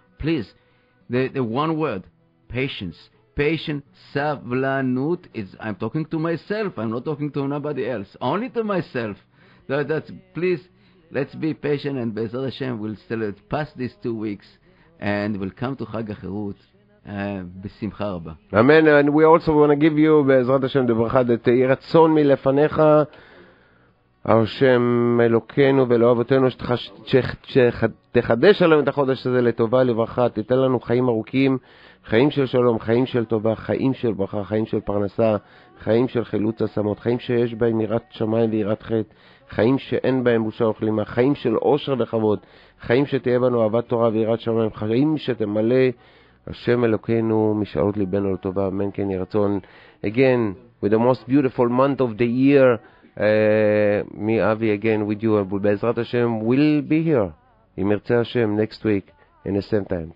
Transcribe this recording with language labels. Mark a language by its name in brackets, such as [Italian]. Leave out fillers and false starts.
[English] Please, the one word, patience. Patience, savlanut, is, I'm talking to myself, I'm not talking to nobody else, only to myself. That's, please, let's be patient, and Be'ezrat Hashem, we'll still pass these 2 weeks. And we'll come to Chag HaChirut [Hebrew] בשמחה רבה. [English] Amen. And we also want to give you, [Hebrew] בעזרת השם, דברך, את רצון מלפניך, השם אלוקנו ולאהבותינו, שתחדש עלינו את החודש הזה לטובה, לברכה, תיתן לנו חיים ארוכים, חיים של שלום, חיים של טובה, חיים של ברכה, חיים של פרנסה, חיים של חילוץ עצמות, חיים שיש בהם יראת שמיים ויראת חטא, חיים שאין בהם בושה וכלימה, חיים של עושר וכבוד, חיים שתהיה בנו אהבת תורה ויראת שמיים, חיים שתמלא השם אלוקנו משאלות ליבנו לטובה, אמן כן ירצון. [English] Again, with the most beautiful month of the year, me Avi again with you, and בעזרת השם, we'll be here, אם ירצה השם, next week, in the same time.